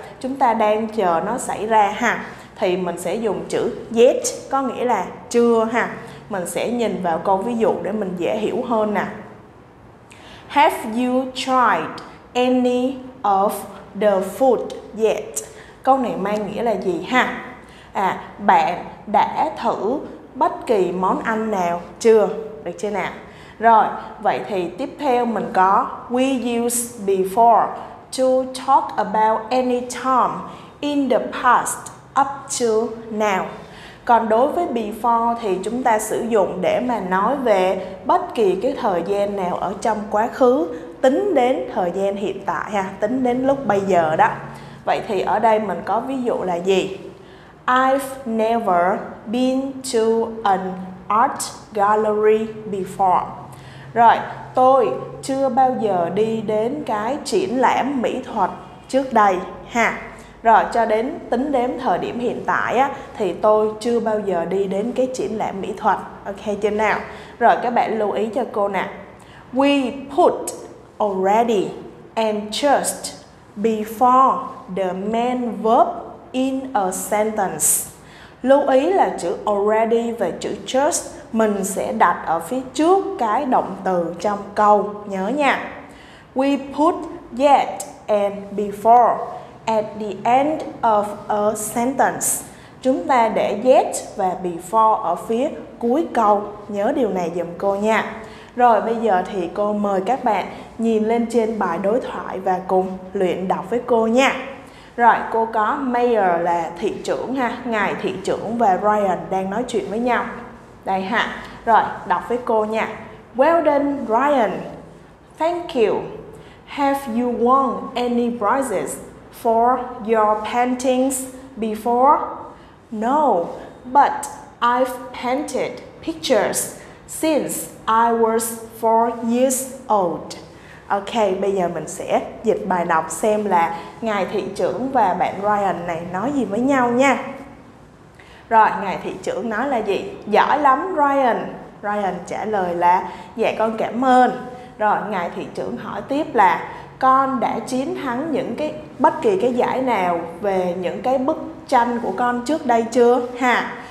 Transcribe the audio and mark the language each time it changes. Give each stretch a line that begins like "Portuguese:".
Vietnamese: Chúng ta đang chờ nó xảy ra ha, thì mình sẽ dùng chữ yet, có nghĩa là chưa ha. Mình sẽ nhìn vào câu ví dụ để mình dễ hiểu hơn nè.
English: Have you tried any of the food yet?
Vietnamese: Câu này mang nghĩa là gì ha? À, bạn đã thử bất kỳ món ăn nào chưa? Được chưa nào? Rồi, vậy thì tiếp theo mình có
English: we use before to talk about any time in the past up to now.
Vietnamese: Còn đối với before thì chúng ta sử dụng để mà nói về bất kỳ cái thời gian nào ở trong quá khứ tính đến thời gian hiện tại ha, tính đến lúc bây giờ đó. Vậy thì ở đây mình có ví dụ là gì?
English: I've never been to an art gallery before.
Vietnamese: Rồi, tôi chưa bao giờ đi đến cái triển lãm mỹ thuật trước đây ha. Rồi, cho đến tính đến thời điểm hiện tại á, thì tôi chưa bao giờ đi đến cái triển lãm mỹ thuật. Ok chưa nào? Rồi, các bạn lưu ý cho cô nè.
English: We put already and just before the main verb in a sentence.
Vietnamese: Lưu ý là chữ already và chữ just mình sẽ đặt ở phía trước cái động từ trong câu, nhớ nha.
English: We put yet and before at the end of a sentence.
Vietnamese: Chúng ta để yet và before ở phía cuối câu, nhớ điều này giùm cô nha. Rồi bây giờ thì cô mời các bạn nhìn lên trên bài đối thoại và cùng luyện đọc với cô nha. Rồi, cô có Mayor là thị trưởng ha, ngài thị trưởng và Ryan đang nói chuyện với nhau. Đây ha. Rồi, đọc với cô nha.
English: Well done, Ryan. Thank you. Have you won any prizes for your paintings before? No, but I've painted pictures since I was 4 years old.
Vietnamese: Ok, bây giờ mình sẽ dịch bài đọc xem là ngài thị trưởng và bạn Ryan này nói gì với nhau nha. Rồi, ngài thị trưởng nói là gì? Giỏi lắm, Ryan. Ryan trả lời là dạ con cảm ơn. Rồi, ngài thị trưởng hỏi tiếp là con đã chiến thắng những cái bất kỳ cái giải nào về những cái bức tranh của con trước đây chưa ha?